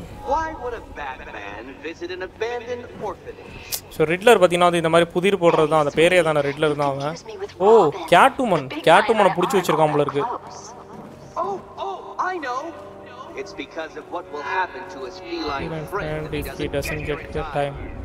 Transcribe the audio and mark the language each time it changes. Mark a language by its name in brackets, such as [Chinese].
[English] Why would a Batman visit an abandoned orphanage? [Tamil] So Riddler பத்தினா இந்த மாதிரி புதிர் போடுறது தான் அந்த பேரே தான ரிட்லர் தான் அவன். ஓ, கேட்வுமன். கேட்வுமனை புடிச்சு வச்சிருக்கான் போல இருக்கு. [English] Oh, I know. It's because of what will happen to his feline friend if he doesn't get the time.